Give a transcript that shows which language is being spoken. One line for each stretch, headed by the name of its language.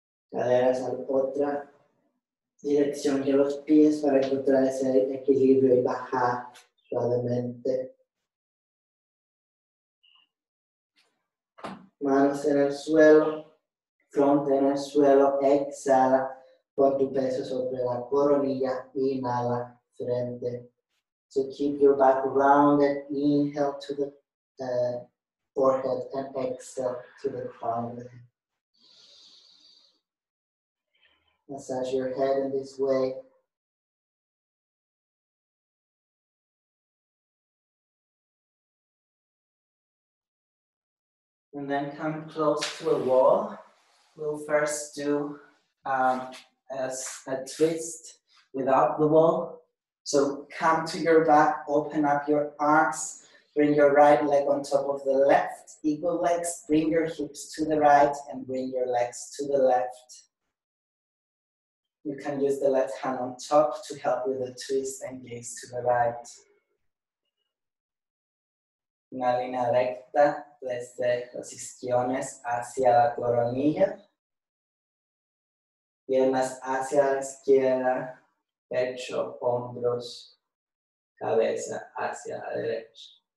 Spanish: Caderas a otra dirección que los pies para encontrar ese equilibrio y bajar suavemente. Manos en el suelo, frente en el suelo, exhala. Pon tu peso sobre la coronilla, inhala, frente.
English: So keep your back rounded, inhale to the forehead and exhale to the crown of the head. Massage your head in this way. And then come close to a wall. We'll first do a twist without the wall. So come to your back, open up your arms, bring your right leg on top of the left, equal legs, bring your hips to the right and bring your legs to the left. You can use the left hand on top to help with the twist and gaze to the right.
Spanish: Una línea recta desde los isquiones hacia la coronilla. Piernas hacia la izquierda. Pecho, hombros, cabeza hacia la derecha.